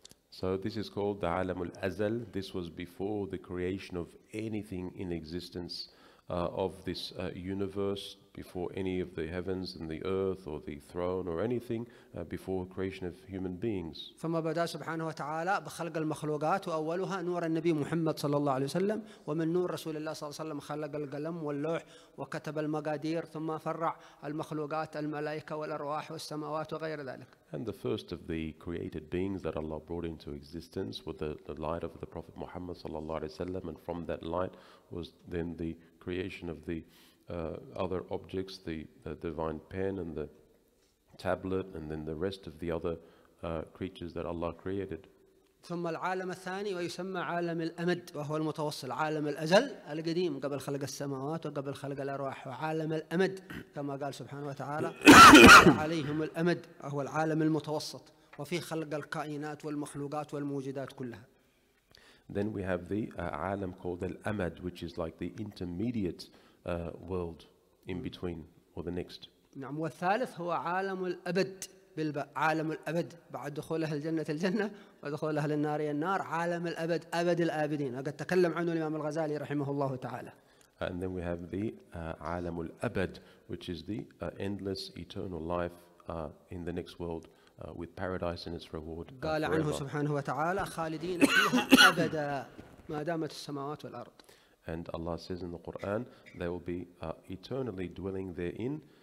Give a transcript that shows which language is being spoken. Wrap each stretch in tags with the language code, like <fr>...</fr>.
<en>So this is called the عالم الأزل. This was before the creation of anything in existence of this universe, before any of the heavens and the earth or the throne or anything, before creation of human beings.</en> <ar>ثم بدأ سبحانه وتعالى بخلق المخلوقات وأولها نور النبي محمد صلى الله عليه وسلم، ومن نور رسول الله صلى الله عليه وسلم خلق القلم واللوح وكتب المقادير، ثم فرع المخلوقات الملائكة والأرواح والسماوات وغير ذلك.</ar> <en>And the first of the created beings that Allah brought into existence was the light of the Prophet Muhammad sallallahu alaihi wasallam, and from that light was then the creation of the other objects, the divine pen and the tablet, and then the rest of the other creatures that Allah created.</en> <ar>ثم العالم الثاني ويسمى عالم الأمد وهو المتوصل عالم الأزل القديم قبل خلق السماوات وقبل خلق الأرواح وعالم الأمد كما قال سبحانه وتعالى عليهم الأمد وهو العالم المتوسط وفي خلق الكائنات والمخلوقات والموجودات كلها.</ar> <en>Then we have the عالم called الأمد which is like the intermediate world in between or the next.</en> <ar>نعم والثالث هو عالم الأبد عالم الأبد بعد دخولها الجنة الجنة ودخولها للنار النار عالم الأبد أبد الآبدين قد تكلم عنه الإمام الغزالي رحمه الله تعالى.</ar> <en>And then we have the عالم الأبد which is the endless eternal life in the next world with paradise and its reward.</en> <ar>قال عنه سبحانه وتعالى خالدين فيها أبدا ما دامت السماوات والأرض.</ar> <en>And Allah says in the Quran they will be eternally dwelling therein.</en>